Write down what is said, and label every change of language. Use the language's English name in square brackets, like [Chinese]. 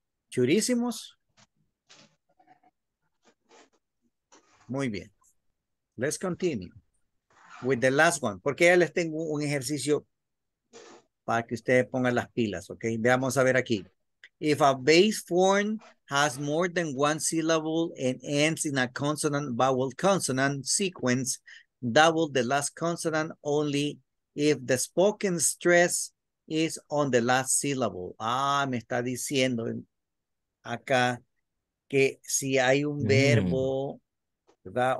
[Spanish] ¿Churísimos? Muy bien. [English] Let's continue with the last one. [Spanish] Porque ya les tengo un ejercicio para que ustedes pongan las pilas, ¿ok? Veamos a ver aquí. [English] If a base form has more than one syllable and ends in a consonant, vowel, consonant sequence, double the last consonant only if the spoken stress is on the last syllable. [Spanish] Ah, me está diciendo acá que si hay un verbo, ¿verdad?